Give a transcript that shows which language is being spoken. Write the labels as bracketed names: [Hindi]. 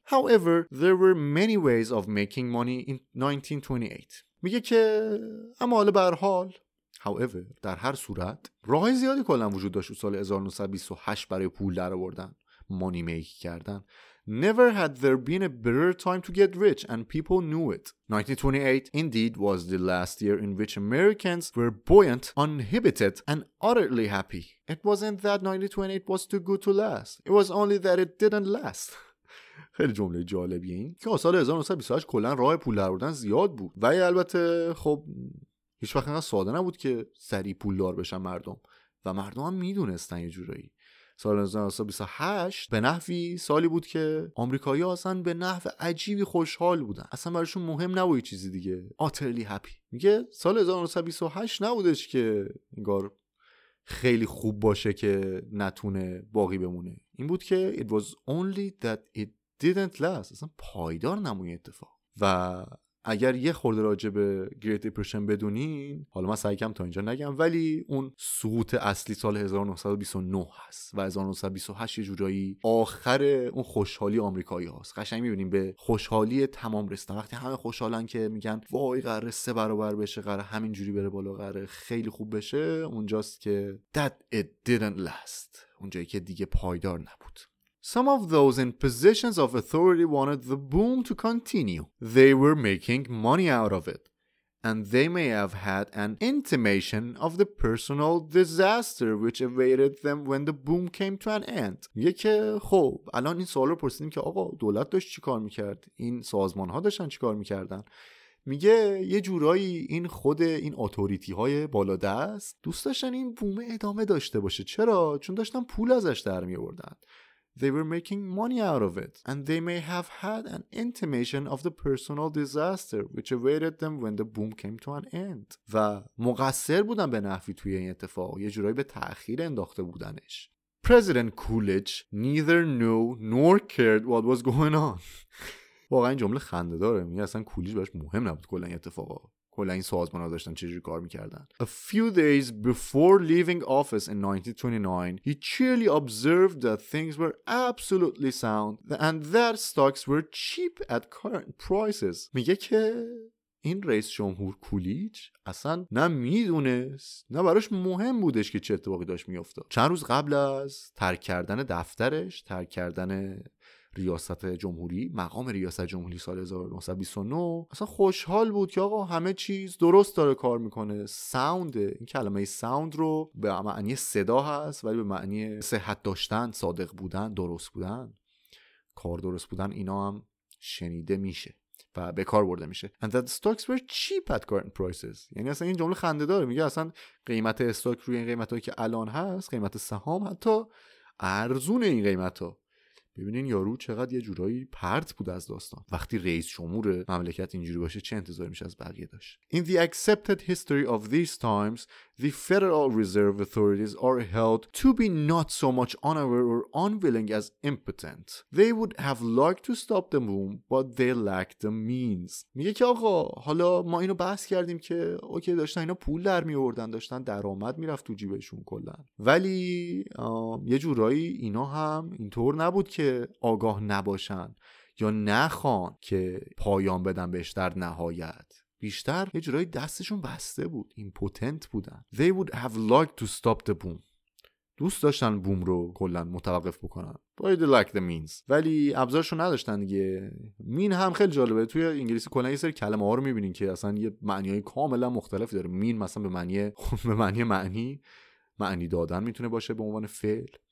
[English] However, there were many ways of making money in 1928. [Persian] میگه که اما حالا به هر حال، however، در هر صورت، راه‌های زیادی کلا وجود داشت تو سال 1928 برای پول درآوردن، مانی میک کردن. [English] Never had there been a better time to get rich and people knew it. 1928 indeed was the last year in which Americans were buoyant, uninhibited and utterly happy. It wasn't that 1928 was too good to last. It was only that it didn't last. [Persian] خیلی جمله جالبیه این که سال 1928 کلا راه پول در آوردن زیاد بود و البته خب هیچ وقت اینقدر ساده نبود که سریع پولدار بشن مردم و مردم هم میدونستن یه جورایی. سال 1928 به نحوی سالی بود که آمریکایی‌ها اصلا به نحو عجیبی خوشحال بودن، اصلا براشون مهم نبود چیزی دیگه، [English] utterly happy. [Persian] میگه سال 1928 نبودش که انگار خیلی خوب باشه که نتونه باقی بمونه، این بود که [English] it was only that it didn't last، [Persian] اصلا پایدار نمونه اتفاق. و اگر یه خورده راجع به Great Depression بدونین، حالا من سعی کنم تا اینجا نگم، ولی اون سقوط اصلی سال 1929 هست و 1928 یه جورایی آخر اون خوشحالی آمریکایی هاست. قشنگ می‌بینیم به خوشحالی تمام رسیدن، وقتی همه خوشحالن که میگن وای قراره سه برابر بشه، قراره همین جوری بره بالا، قراره خیلی خوب بشه، اونجاست که [English] that it didn't last، [Persian] اونجایی که دیگه پایدار نبود. [English] Some of those in positions of authority wanted the boom to continue. They were making money out of it. And they may have had an intimation of the personal disaster which awaited them when the boom came to an end. [Persian] میگه که خب الان این سوال رو پرسیدیم که آقا دولت داشت چی کار میکرد؟ این سازمان ها داشتن چی کار میکردن؟ میگه یه جورایی این خود این اتوریتی های بالادست دوست داشتن این بوم ادامه داشته باشه. چرا؟ چون داشتن پول ازش در میوردن. [English] They were making money out of it and they may have had an intimation of the personal disaster which awaited them when the boom came to an end. [Persian] و مقصر بودن به نحوی توی این اتفاق، یه جورایی به تأخیر انداخته بودنش. [English] President Coolidge neither knew nor cared what was going on. [Persian] واقعا این جمله خنده داره، میگه اصلا کولیج براش مهم نبود کلا این اتفاقا، کلا این سازمان ها داشتن چجوری کار میکردن. [English] A few days before leaving office in 1929, he cheerily observed that things were absolutely sound and that stocks were cheap at current prices. [Persian] میگه که این رئیس جمهور کولیج اصلا نه میدونست نه براش مهم بودش که چه اتفاقی داشت میافتاد. چند روز قبل از ترک کردن دفترش، ترک کردن ریاست جمهوری، مقام ریاست جمهوری سال 1929، اصلا خوشحال بود که آقا همه چیز درست داره کار میکنه، ساونده. این کلمه ساوند رو به معنی صدا هست ولی به معنی صحت داشتن، صادق بودن، درست بودن، کار درست بودن، اینا هم شنیده میشه و به کار برده میشه. [English] And that stocks were cheap at current prices. [Persian] یعنی اصلا این جمله خنده داره، میگه اصلا قیمت استاک روی این قیمتایی که الان هست، قیمت سهام حتی ارزون این قیمتا. ببینین یارو چقدر یه جورایی پرت بود از داستان. وقتی رئیس جمهور مملکت اینجوری باشه چه انتظاری میشه از بقیه داشت؟ [English] In the accepted history of these times, the Federal Reserve authorities are held to be not so much unaware or unwilling as impotent. They would have liked to stop the boom, but they lacked the means. [Persian] میگه که آقا حالا ما اینو بحث کردیم که اوکی داشتن اینا پول در می آوردن، داشتن درآمد میرفت تو جیبشون کلا. ولی یه جورایی اینا هم اینطور نبود که آگاه نباشن یا نخوان که پایان بدن بهش در نهایت. بیشتر یه جورایی دستشون بسته بود، ایمپوتنت بودن. [English] They would have liked to stop the boom. [Persian] دوست داشتن بوم رو کلن متوقف بکنن. [English] By the lack the means. [Persian] ولی ابزارشون نداشتن دیگه. مین هم خیلی جالبه. توی انگلیسی کلن یه سری کلمه ها رو میبینین که اصلا یه معنیای کاملا مختلفی داره. مین مثلا به معنی دادن میتونه باشه به عنوان فعل.